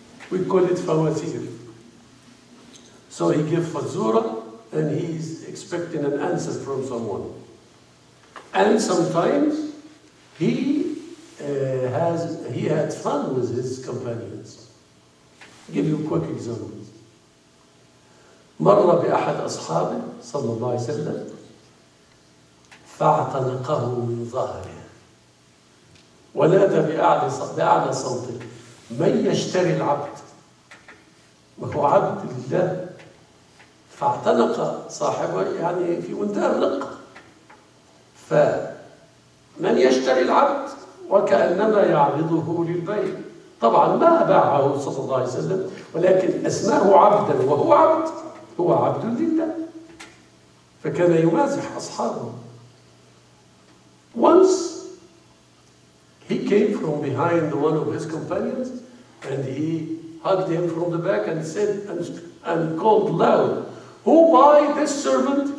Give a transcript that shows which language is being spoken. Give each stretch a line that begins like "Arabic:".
English: We call it fawatir. So he gives fazura and he's expecting an answer from someone. And sometimes he had fun with his companions. I'll give you a quick example.
Arabic: مر بأحد أصحابه صلى الله عليه وسلم فاعتنقه من ظهره ونادى بأعلى صوته: من يشتري العبد؟ وهو عبد لله. فاعتنق صاحبه، يعني في منتهى الرقة. فمن يشتري العبد؟ وكأنما يعرضه للبيع. طبعا ما باعه صلى الله عليه وسلم، ولكن أسماه عبدا وهو عبد، هو عبد لله. فكان يمازح أصحابه.
English: Once he came from behind one of his companions and he hugged him from the back and said and called loud, "Who by this servant?"